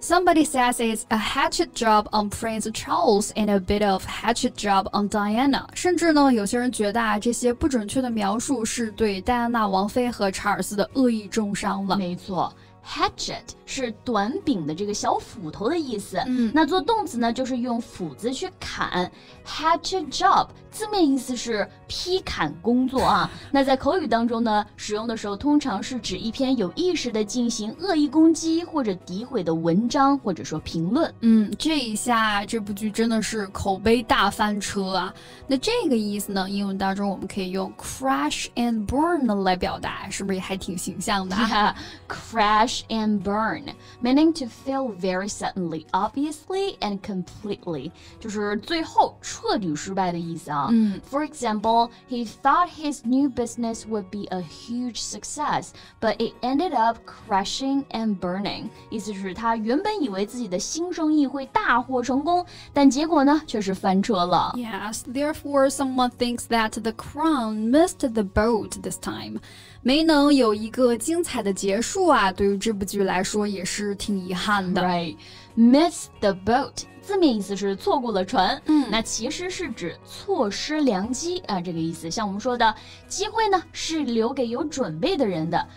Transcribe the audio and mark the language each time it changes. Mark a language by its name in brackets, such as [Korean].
[English] Somebody says it's a hatchet job on Prince Charles and a bit of hatchet job on Diana. [Chinese] 甚至呢有些人觉得啊，这些不准确的描述是对戴安娜王妃和查尔斯的恶意重伤了。没错， [English] hatchet [Chinese] 是短柄的这个小斧头的意思。嗯，那做动词呢，就是用斧子去砍。 [English] Hatchet job [Chinese] 字面意思是劈砍工作啊。那在口语当中呢，使用的时候通常是指一篇有意识的进行恶意攻击或者诋毁的文章或者说评论。嗯，这一下这部剧真的是口碑大翻车啊。那这个意思呢，英文当中我们可以用 [English] crash and burn [Chinese] 来表达，是不是也还挺形象的？ [English] Yeah, crash and burn, meaning to fail very suddenly, obviously and completely, [Chinese] 就是最后彻底失败的意思啊。嗯， [English] For example, he thought his new business would be a huge success, but it ended up crashing and burning. [Chinese] 意思是他原本以为自己的新生意会大获成功，但结果呢却是翻车了。 [English] Yes, therefore someone thinks that the crown missed the boat this time. [Chinese] 没能有一个精彩的结束啊，对于这部剧来说也是挺遗憾的。 [English] Right, missed the boat. [Chinese] 字面意思是错过了船，嗯，那其实是指错失良机啊，这个意思。像我们说的，机会呢是留给有准备的人的。